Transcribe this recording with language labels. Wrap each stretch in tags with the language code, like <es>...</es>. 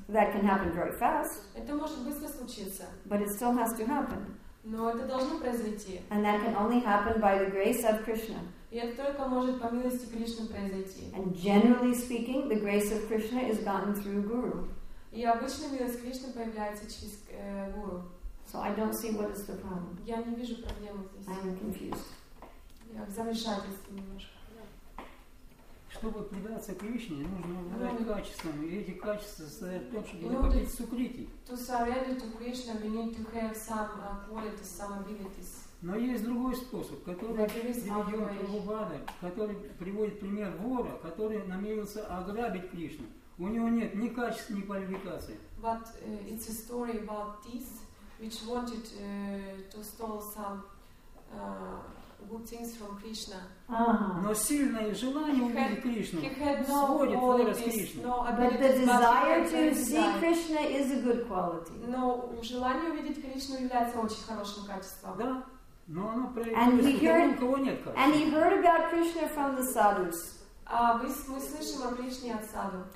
<en>That can happen very fast.</en> <ru>Это может быстро случиться.</ru> <en>But it still has to happen.</en> <ru>Но это должно произойти.</ru> <en>And that can only happen by the grace of Krishna.</en> <ru>И это только может по милости Кришны произойти.</ru> <en>And generally speaking, the grace of Krishna is gotten through Guru.</en> <ru>И обычно милость Кришны появляется через Гуру.</ru> <en>So I don't see what is the problem.</en> <ru>Я не вижу проблемы здесь.</ru> <en>I'm confused.</en> <ru>Я в замешательстве немножко. Чтобы предаться Кришне, нужно обладать качествами, и эти качества состоят в том, чтобы захватить сукрити.</ru> <en>To surrender to Krishna, we need to have some qualities, some abilities.</en> <ru>Но есть другой способ, который приводит пример вора, который намерился ограбить Кришну. У него нет ни качеств, ни квалификации.</ru> <en>But it's a story about thief, which wanted to steal some good things from Krishna.</en> <ru>Но сильное желание увидеть Кришну сводит вора с Кришной.</ru> <en>But the desire to see Krishna is a good quality.</en> <ru>Но желание увидеть Кришну является очень хорошим качеством. Да. Но оно проявилось, у кого нет качества.</ru> <en>And he heard about Krishna from the sadhus.</en> <ru>Мы слышим о Кришне от саду.</ru>